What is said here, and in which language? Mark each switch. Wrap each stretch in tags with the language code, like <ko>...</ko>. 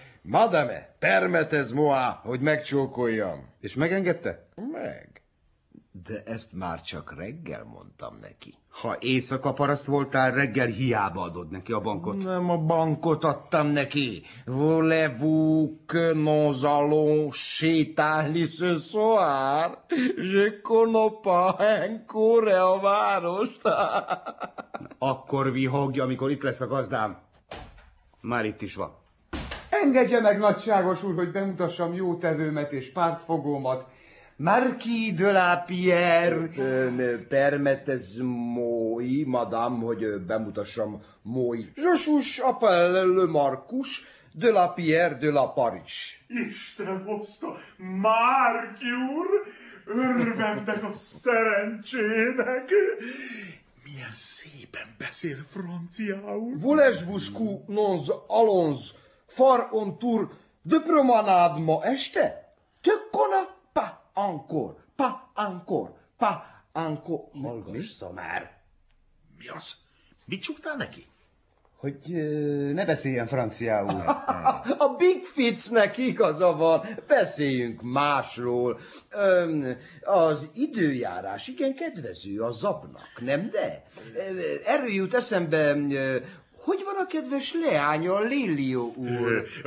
<fr>Madame, permetez moi,</fr> <hu>hogy megcsókoljam. És megengedte? Meg. De ezt már csak reggel mondtam neki. Ha éjszaka paraszt voltál, reggel hiába adod neki a bankot. Nem a bankot adtam neki.</hu> <fr>Voulez-vous que nous allons</fr> <hu>sétálni</hu> <fr>ce soir? Je connais pas encore</fr> <hu>a várost. Akkor vihogja, amikor itt lesz a gazdám. Már itt is van. Engedje meg, nagyságos úr, hogy bemutassam jótevőmet és pártfogómat. Marquis de la Pierre.</hu> <fr>Permettez moi, madame,</fr> <hu>hogy bemutassam</hu> <fr>moi. Je suis appelé le Marquis de la Pierre de la Paris.</fr> <hu>Isten hozta, Marquis úr, örvendek a szerencsének. Milyen szépen beszél franciául.</hu> <fr>Voulez-vous que nous allons faire un tour de promenade</fr> <hu>ma este?</hu> <fr>Te connais pas encore, pas encore, pas encore.</fr> <hu>Hallgassza már! Mi az? Mit csuktál neki? Hogy ne beszéljen franciául. A Big Fitznek igaza van, beszéljünk másról. Az időjárás igen kedvező a zabnak, nem de? Erről jut eszembe, hogy van a kedves leánya, Lilió úr?</hu>